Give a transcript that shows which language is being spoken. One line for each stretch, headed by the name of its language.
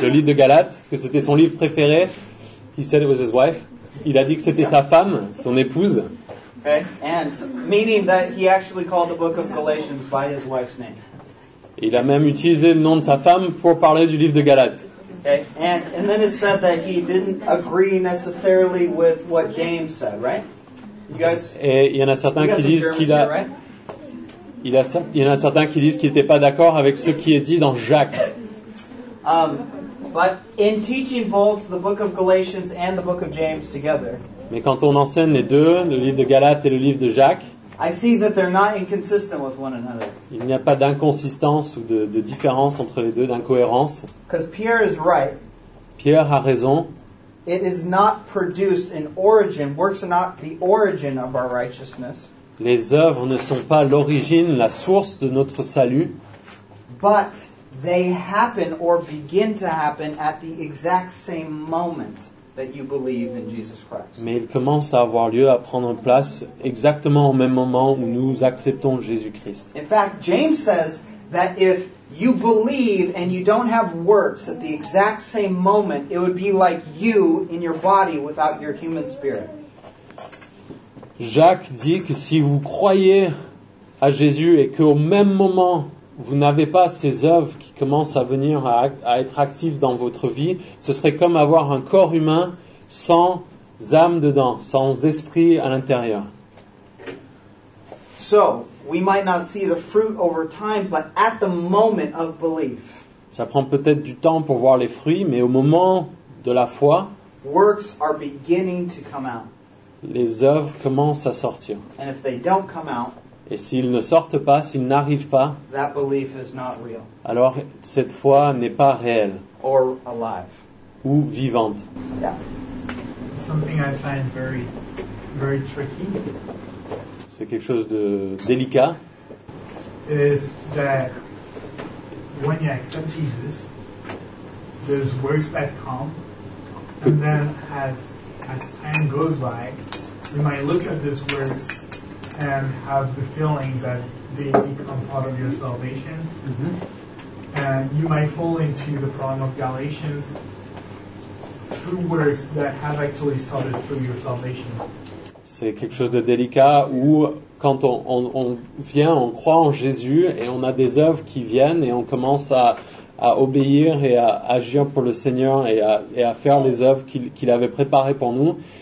French: Le livre de Galates, que c'était son livre préféré.
English: He said it was his wife.
French: Il a dit que c'était sa femme, son épouse.
English: Okay, and meaning that he actually called the book of Galatians by his wife's name.
French: Il a même utilisé le nom de sa femme pour parler du livre de Galates.
English: Okay, and then it said that he didn't agree necessarily with what James said, right? You guys.
French: Et il y en a certains qui disent qu'il a. Il y en a certains qui disent qu'il n'était pas d'accord avec ce qui est dit dans Jacques.
English: But in teaching both the book of Galatians and the book of James together.
French: Mais quand on enseigne les deux, le livre de Galates et le livre de Jacques.
English: I see that they're not inconsistent with one another.
French: Il n'y a pas d'inconsistance ou de différence entre les deux, d'incohérence.
English: Because Pierre is right.
French: Pierre a raison.
English: It is not produced in origin. Works are not the origin of our righteousness.
French: Les œuvres ne sont pas l'origine, la source de notre salut.
English: But they happen or begin to happen at the exact same moment that you believe in Jesus Christ.
French: Mais il commence à avoir lieu, à prendre place exactement au même moment où nous acceptons Jésus-Christ.
English: In fact, James says that if you believe and you don't have works at the exact same moment, it would be like you in your body without your human spirit.
French: Jacques dit que si vous croyez à Jésus et qu'au même moment vous n'avez pas ces œuvres qui commencent à venir à être actives dans votre vie, ce serait comme avoir un corps humain sans âme dedans, sans esprit à l'intérieur.
English: So, we might not see the fruit over time, but at the moment of belief.
French: Ça prend peut-être du temps pour voir les fruits, mais au moment de la foi,
English: works are beginning to come out.
French: Les œuvres commencent à sortir.
English: And if they don't come out,
French: et s'ils ne sortent pas, s'ils n'arrivent pas,
English: that belief is not real.
French: Alors cette foi n'est pas réelle.
English: Or alive.
French: Ou vivante.
English: Yeah. Something I find very, very tricky.
French: C'est quelque chose de délicat.
English: Is that when you accept Jesus, there's works that come, and then as time goes by, we might look at these works and have the feeling that they become part of your salvation. Mm-hmm. And you might fall into the problem of Galatians through works that have actually started through your salvation.
French: C'est quelque chose de délicat où quand on vient, on croit en Jésus et on a des œuvres qui viennent et on commence à obéir et à agir pour le Seigneur et à faire les œuvres qu'il avait préparées pour nous.